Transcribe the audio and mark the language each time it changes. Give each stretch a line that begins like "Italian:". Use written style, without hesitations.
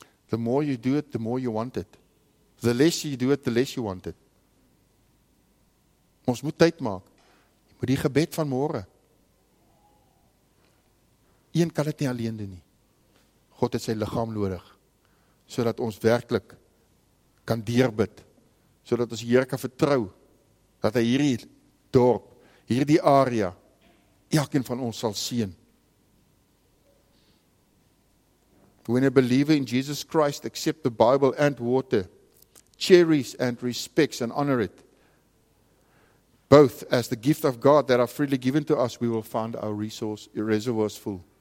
English: The more you do it, the more you want it. The less you do it, the less you want it.
Afrikaans: Ons moet tyd maak. Jy moet die gebed van môre. Een kan dit nie alleen doen nie. God het sy liggaam nodig, sodat ons werklik kan deurbid, sodat ons die Here kan vertrou, dat hy hierdie dorp, hierdie area, elkeen van ons sal sien.
English: When a believer in Jesus Christ accept the Bible and water, cherishes and respects and honor it, both as the gift of God that are freely given to us, we will find our reservoirs full.